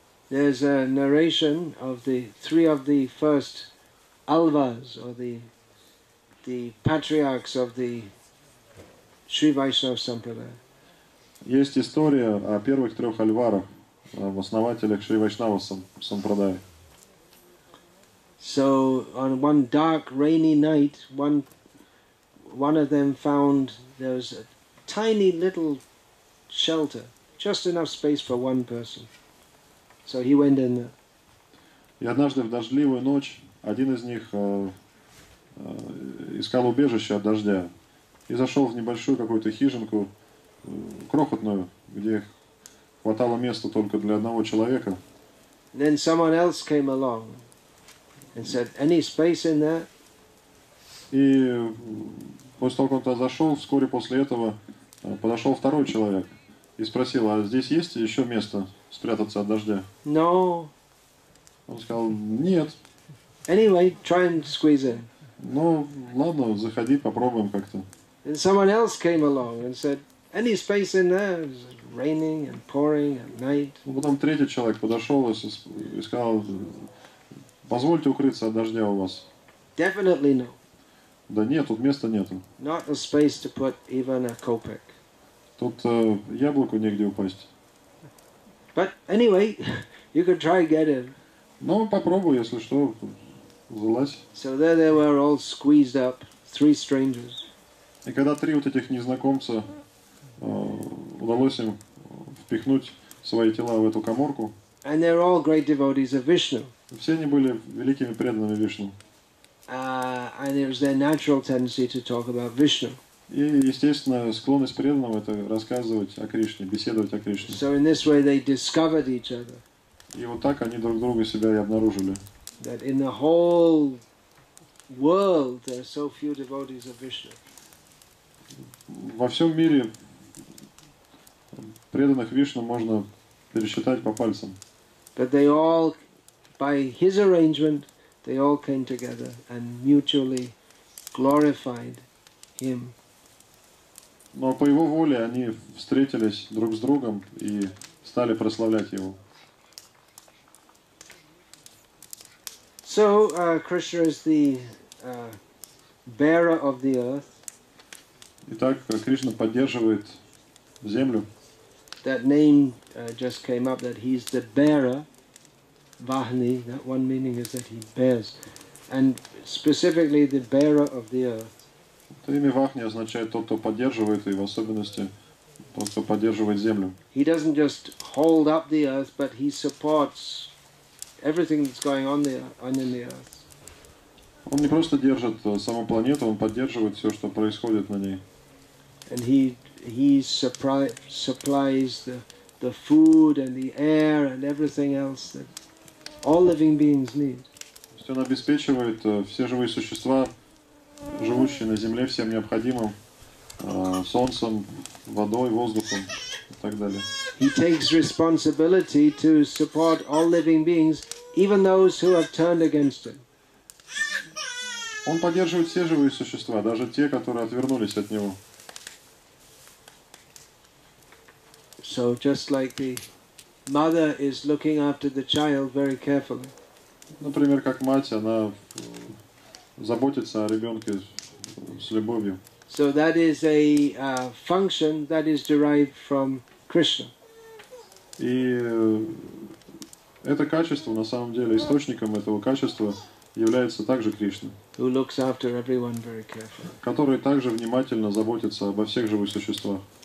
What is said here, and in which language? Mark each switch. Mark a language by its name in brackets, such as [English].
[English] There's a narration of the three of the first Alvas, or the patriarchs of the Sri Vaishnava Sampradaya. [Russian] Есть история о первых трех Альварах, об основателях Шри Вайшнава Сампрадая. [English] So on one dark rainy night, one of them found there was a tiny little shelter, just enough space for one person. So he went in there. [Russian] И однажды в дождливую ночь один из них искал убежище от дождя и зашел в небольшую какую-то хижинку, крохотную, где хватало места только для одного человека. [English] Then someone else came along and said, "Any space in there?" [Russian] И после того, как он туда зашел, вскоре после этого подошел второй человек и спросил, а здесь есть еще место спрятаться от дождя? [English] No. [Russian] Он сказал, нет. [English] Anyway, try and squeeze in. [Russian] Ну, ладно, заходи, попробуем как-то. [English] And someone else came along and said, "Any space in there? It's raining and pouring at night." [Russian] Ну, потом третий человек подошел и сказал, позвольте укрыться от дождя у вас. [English] Definitely no. [Russian] Да нет, тут места нету. [English] Not a space to put even a copeck. [Russian] Тут яблоку негде упасть. [English] But anyway, you could try and get in. [Russian] Ну, попробуй, если что, залазь. [English] So there they were all squeezed up, three strangers. [Russian] И когда три вот этих незнакомца удалось им впихнуть свои тела в эту каморку. [English] And they're all great devotees of Vishnu. [Russian] Все они были великими преданными Вишну. [English] And it was their natural tendency to talk about Vishnu. [Russian] И естественно склонность преданного это рассказывать о Кришне, беседовать о Кришне. [English] So in this way they discovered each other. [Russian] И вот так они друг друга себя и обнаружили. [English] That in the whole world there are so few devotees of Vishnu. [Russian] Во всем мире преданных Вишну можно пересчитать по пальцам. [English] But they all, by his arrangement, they all came together and mutually glorified him. [Russian] Но по его воле они встретились друг с другом и стали прославлять его. [English] So Krishna is the bearer of the earth. [Russian] Итак, Кришна поддерживает землю. [English] That name just came up, that he's the bearer. Vahni, that one meaning is that he bears, and specifically the bearer of the earth. [Russian] Это имя Вахни означает тот, кто поддерживает, и в особенности тот, кто поддерживает землю. [English] He doesn't just hold up the earth, but he supports everything that's going on in the earth. [Russian] Он не просто держит саму планету, он поддерживает все, что происходит на ней. [English] And he supplies the food and the air and everything else that all living beings need. [Russian] Он обеспечивает все живые существа, живущие на Земле, всем необходимым: солнцем, водой, воздухом и так далее. [English] He takes responsibility to support all living beings, even those who have turned against him. [Russian] Он поддерживает все живые существа, даже те, которые отвернулись от него. [English] So just like the mother is looking after the child very carefully. [Russian] Например, как мать, она заботится о ребенке с любовью. [English] So that is a function that is derived from Krishna. [Russian] И это качество, на самом деле, источником этого качества является также Кришна. [English] Who looks after everyone very carefully. [Russian] Который также внимательно заботится обо всех живых существах.